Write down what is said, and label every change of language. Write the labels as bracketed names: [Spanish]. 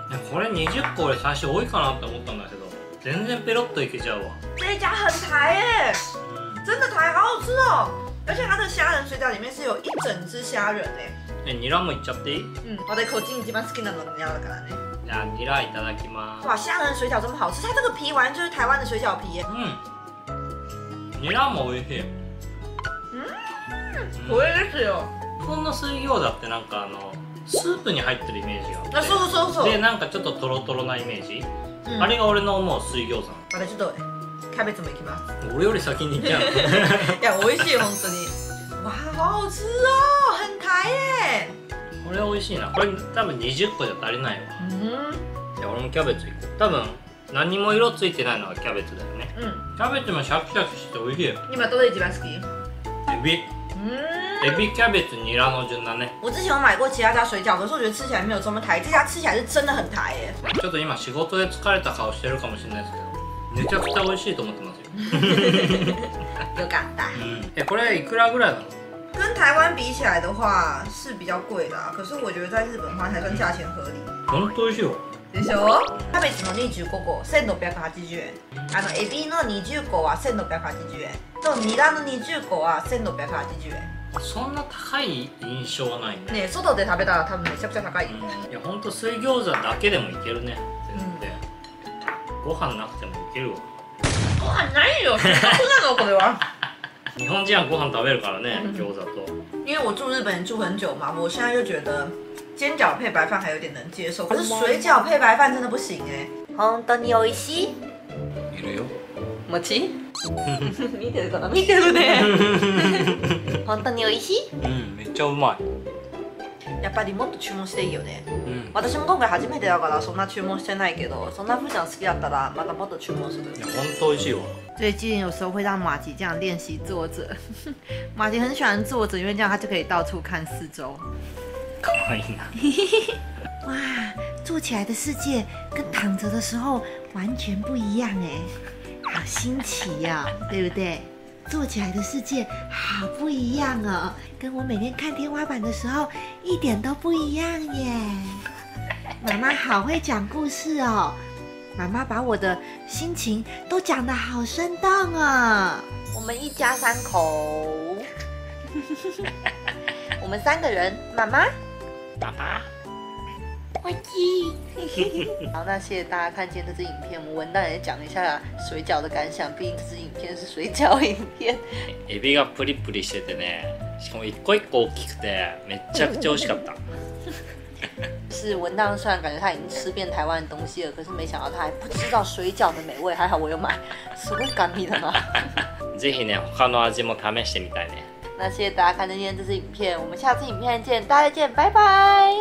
[Japanese] これ20個俺最初多いかなって思ったんだけど。全然ペロッといけちゃうわ。 [Chinese] 这一家很台耶、真的台，好好吃哦。而且它的虾仁水饺里面是有一整只虾仁耶。 [Japanese] ニラもいっちゃっていい？ [Chinese] 我的口径 [Japanese] 一番好きなのニラだからね。じゃあニラいただきます [Chinese] 哇，虾仁水饺这么好吃，它这个皮完全就是台湾的水饺皮耶。 [Japanese] ニラも美味しい。これですよ。こんな水餃子ってなんかあのスープに入ってるイメージがあって、そうそうそう。でなんかちょっとトロトロなイメージ。あれが俺の思う水餃子。またちょっとキャベツもいきます。俺より先にいっちゃう。いや美味しい本当に。 [Chinese] 哇，好好吃哦，很台耶。 [Japanese] これ美味しいな。これ多分20個じゃ足りないわ。じゃあ俺もキャベツいこう。多分何も色ついてないのはキャベツだよね。キャベツもシャキシャキして美味しい。今どれ一番好き？エビ。エビキャベツニラの順だね。 [Chinese] 我之前有买过其他家水饺，可是我觉得吃起来没有这么台。这家吃起来是真的很台耶。 [Japanese] ちょっと今仕事で疲れた顔してるかもしれないですけど、めちゃくちゃ美味しいと思ってますよ。よかった。これいくらぐらいなの？ [Chinese] 跟台湾比起来的话是比较贵的，可是我觉得在日本花才算价钱合理。 [Japanese] 本当美味しいよ。キャベツの25個1680円。あのエビの20個は1680円。とニラの20個は1680円。そんな高い印象はないね。外で食べたら多分めちゃくちゃ高い。いや本当水餃子だけでもいけるね。全然。ご飯なくてもいけるわ。ご飯ないよ。せっかくなのこれは。日本人はご飯食べるからね、餃子と。 [Chinese] 因为我住日本住很久嘛，我现在就觉得煎饺配白饭还有点能接受，可是水饺配白饭真的不行哎。 [Japanese] 本当に美味しい。いるよ。もち。見てるかな。見てるね。本当に美味しい。めっちゃうまい。やっぱりもっと注文していいよね。私も今回初めてだからそんな注文してないけど、そんなふうちゃん好きだったらまたもっと注文する。いや本当美味しいわ。 [Chinese] 最近有时候会让马吉这样练习坐着。马吉很喜欢坐着，因为这样他就可以到处看四周。可以啊。哇，坐起来的世界跟躺着的时候完全不一样哎。好新奇呀、哦，对不对？坐起来的世界好不一样哦，跟我每天看天花板的时候一点都不一样耶。妈妈好会讲故事哦，妈妈把我的心情都讲得好生动哦。我们一家三口，我们三个人，妈妈、爸爸、我鸡。好，那谢谢大家看今天这支影片。我们文旦也讲一下水饺的感想，毕竟这支影片是水饺影片。 [Japanese] エビがプリプリしててね、しかも一個一個大きくてめちゃくちゃ美味しかった。 [Chinese] 是文旦，虽然感觉他已经吃遍台湾的东西了，可是没想到他还不知道水饺的美味。还好我有买， [Japanese] すごい甘味だな。ぜひね、他の味も試してみたいね。 [Chinese] 那谢谢大家看今天这支影片，我们下次影片见，大家再见，拜拜，